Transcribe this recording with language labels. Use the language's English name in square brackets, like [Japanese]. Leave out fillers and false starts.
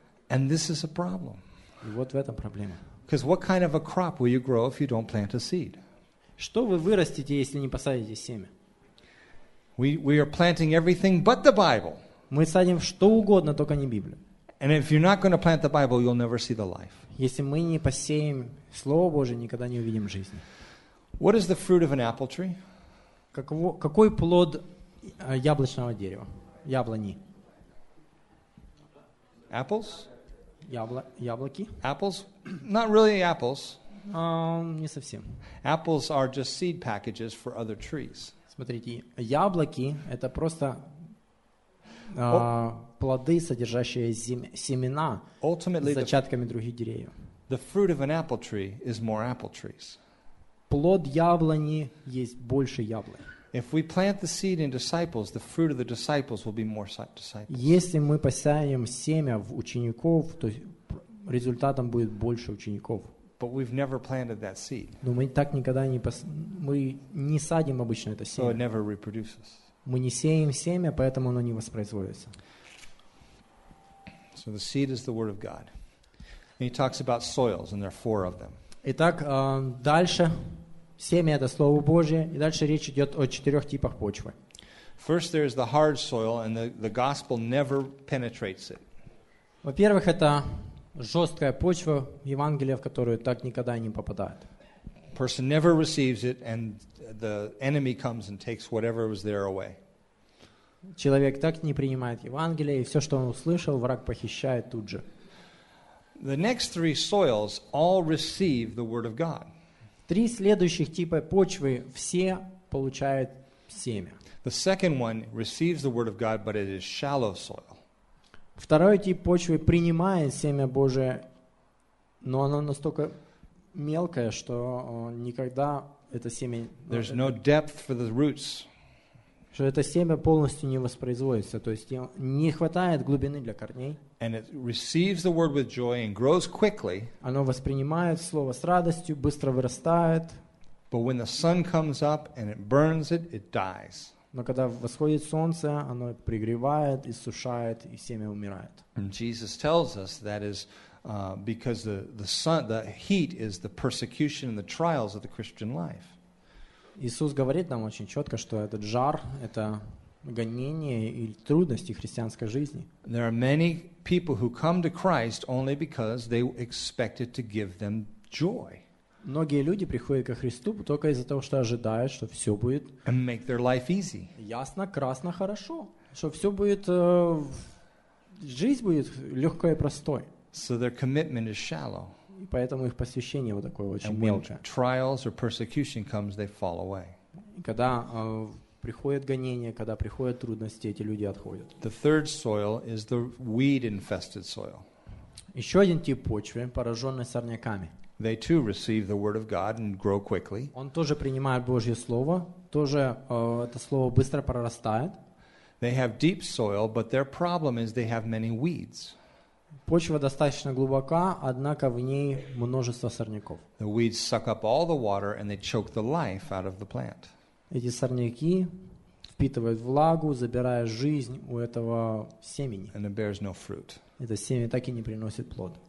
[English] And this is a problem. [Russian] И вот в этом проблема. [English] Because what kind of a crop will you grow if you don't plant a seed? [Russian] Что вы вырастите, если не посадите семя? [English] We are planting everything but the Bible. [Russian] Мы садим что угодно, только не Библию. [English] And if you're not going to plant the Bible, you'll never see the life. [Russian] Если мы не посеем Слово Божие, никогда не увидим жизни. [English] What is the fruit of an apple tree? [Russian] Какой плод яблочного дерева? Яблони. [English] Apples? [Russian] Яблоки? [English] Apples? Not really apples. [Russian] Не совсем. [English] Apples are just seed packages for other trees. [Russian] Смотрите, яблоки — это просто плоды, содержащие семена [English] Ultimately, [Russian] с зачатками других деревьев. [English] The fruit of an apple tree is more apple trees. [Russian] Плод яблони есть больше яблок. [English] If we plant the seed in disciples, the fruit of the disciples will be more disciples. [Russian] Если мы посеем семя в учеников, то результатом будет больше учеников. [English] But we've never planted that seed. [Russian] Но мы так никогда не мы не садим обычно это семя. [English] So it never reproduces. [Russian] Мы не сеем семя, поэтому оно не воспроизводится. [English] So the seed is the word of God. And he talks about soils, and there are 4 of them. [Russian] Итак, дальше. Семя — это Слово Божие. И дальше речь идет о 4 типах почвы. [English] First, there is the hard soil, and the gospel never penetrates it. [Russian] Во-первых, это жесткая почва, Евангелие, в которую так никогда и не попадает. [English] Person never receives it, and the enemy comes and takes whatever was there away. [Russian] Человек так не принимает Евангелие, и все, что он услышал, враг похищает тут же. [English] The next 3 soils all receive the word of God. [Russian] 3 следующих типа почвы все получают семя. [English] The second one receives the word of God, but it is shallow soil. [Russian] Второй тип почвы принимает семя Божие, но оно настолько мелкое, что никогда это семя... [English] There's no depth for the roots. [Russian] Что это семя полностью не воспроизводится, то есть не хватает глубины для корней. [English] And it receives the word with joy and grows quickly. [Russian] Оно воспринимает слово с радостью, быстро вырастает. [English] But when the sun comes up and it burns it, it dies. [Russian] Но когда восходит солнце, оно пригревает, иссушает, и семя умирает. [English] And Jesus tells us that is because the sun, the heat is the persecution and the trials of the Christian life. [Russian] Иисус говорит нам очень четко, что этот жар — это гонение и трудности христианской жизни. [English] There are many people who come to Christ only because they expected to give them joy. [Russian] Многие люди приходят ко Христу только из-за того, что ожидают, что все будет [English] and make their life easy. [Russian] Ясно, красно, хорошо, что все будет, жизнь будет легкой и простой. [English] So their commitment is shallow. [Russian] И поэтому их посвящение вот такое очень [English] and [Russian] мелкое. [English] When trials or persecution comes, they fall away. [Russian] Когда приходят гонения, когда приходят трудности, эти люди отходят. [English] The third soil is the weed-infested soil. [Russian] Еще один тип почвы, пораженный сорняками. [English] They too receive the word of God and grow quickly. [Russian] Он тоже принимает Божье слово, тоже это слово быстро прорастает. [English] They have deep soil, but their problem is they have many weeds. [Russian] Почва достаточно глубока, однако в ней множество сорняков. [English] The weeds suck up all the water and they choke the life out of the plant. [Russian] Эти сорняки впитывают влагу, забирая жизнь у этого семени. [English] And it bears no fruit. [Russian] Это семя так и не приносит плод.